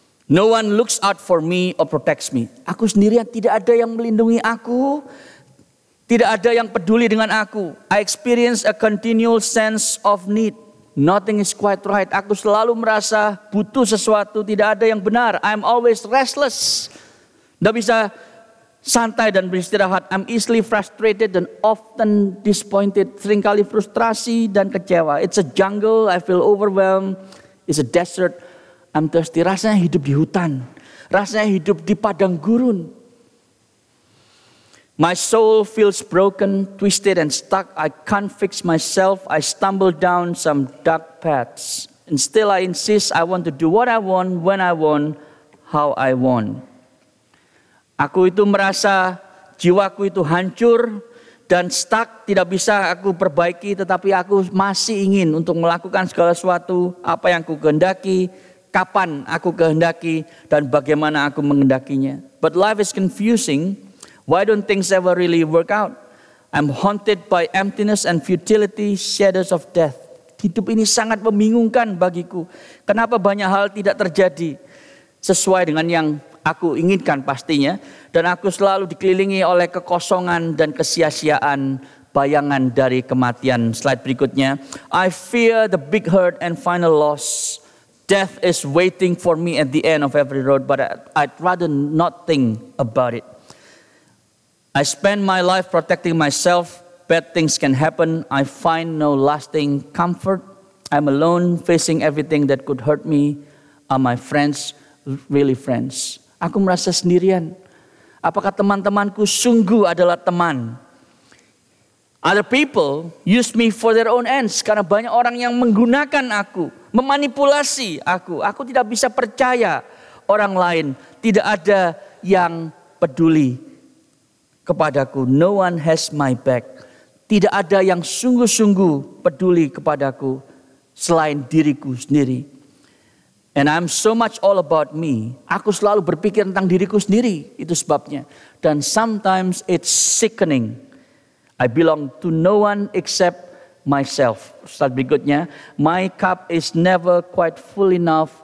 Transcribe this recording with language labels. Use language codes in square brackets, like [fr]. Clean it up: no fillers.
[en] No one looks out for me or protects me. [id] Aku sendirian, tidak ada yang melindungi aku. Tidak ada yang peduli dengan aku. [en] I experience a continual sense of need. Nothing is quite right. [id] Aku selalu merasa butuh sesuatu. Tidak ada yang benar. [en] I'm always restless. [id] Tidak bisa santai dan beristirahat. [en] I'm easily frustrated and often disappointed. [id] Seringkali frustrasi dan kecewa. [en] It's a jungle. I feel overwhelmed. It's a desert. I'm thirsty. [id] Rasanya hidup di hutan. Rasanya hidup di padang gurun. [en] My soul feels broken, twisted and stuck. I can't fix myself. I stumble down some dark paths. And still I insist I want to do what I want, when I want, how I want. [id] Aku itu merasa jiwaku itu hancur dan stuck, tidak bisa aku perbaiki, tetapi aku masih ingin untuk melakukan segala sesuatu apa yang ku kehendaki, kapan aku kehendaki dan bagaimana aku mengendakinya. [en] But life is confusing. Why don't things ever really work out? I'm haunted by emptiness and futility, shadows of death. [id] Hidup ini sangat membingungkan bagiku. Kenapa banyak hal tidak terjadi sesuai dengan yang aku inginkan pastinya. Dan aku selalu dikelilingi oleh kekosongan dan kesia-siaan bayangan dari kematian. Slide berikutnya. [en] I fear the big hurt and final loss. Death is waiting for me at the end of every road, but I'd rather not think about it. I spend my life protecting myself. Bad things can happen. I find no lasting comfort. I'm alone facing everything that could hurt me. Are my friends really friends? [id] Aku merasa sendirian. Apakah teman-temanku sungguh adalah teman? [en] Other people use me for their own ends. [id] Karena banyak orang yang menggunakan aku, memanipulasi aku. Aku tidak bisa percaya orang lain. Tidak ada yang peduli kepadaku. [en] No one has my back. [id] Tidak ada yang sungguh-sungguh peduli kepadaku selain diriku sendiri. [en] And I'm so much all about me. [id] Aku selalu berpikir tentang diriku sendiri. Itu sebabnya. Dan [en] sometimes it's sickening. I belong to no one except myself. [id] Ustaz berikutnya. [en] My cup is never quite full enough.